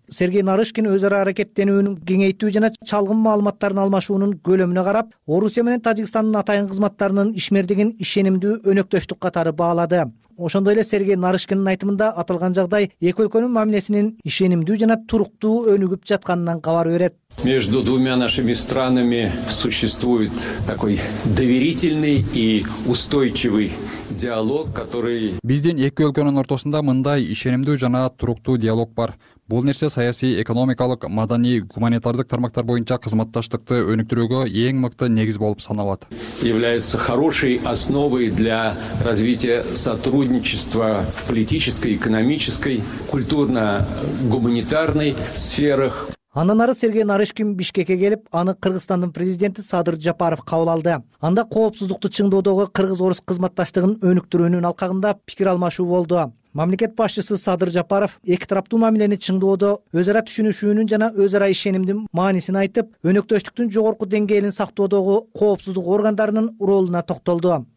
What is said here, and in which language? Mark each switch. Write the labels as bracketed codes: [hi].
[ky] Сергей Нарышкин өз ара аракеттенүүнү кеңейтүү жана чалгын маалыматтарын алмашуунун көлөмүнө карап, Орусия менен Тажикстандын атайын кызматтарынын ишмердигин ишенимдүү өнөктөштүк катары баалады. Ошондой эле Сергей Нарышкиндин айтымында аталган жагдай эки өлкөнүн мамилесинин ишенимдүү жана туруктуу өнүгүп жатканынан кабар берет. [ru] Между двумя нашими странами существует такой доверительный и устойчивый диалог, который [ky] Биздин эки өлкөнүн ортосунда мындай ишенимдүү жана туруктуу диалог бар. Бул нерсе саясий, экономикалык, маданий, гуманитардык тармактар боюнча кызматташтыкты өнүктүрүүгө эң мыкты негиз болуп саналат. [ru] Является хорошей основой для развития сотрудничества политической, экономической, культурно-гуманитарной сферах. [ky] Андан ары Сергей Нарышкин Бишкекке келип, аны Кыргызстандын президенти Садыр Жапаров кабыл алды. Анда коопсуздукту чыңдоодогу кыргыз-орус кызматташтыгын өнүктүрүүнүн алкагында пикир алмашуу болду. Мамлекет башчысы Садыр Жапаров эки тараптуу мамилени чыңдоодо өз ара түшүнүшүүнүн жана өз ара ишенимдин маанисин айтып, өнөктөштүктүн жогорку деңгээлин сактоодогу коопсуздук органдарынын ролуна токтолду.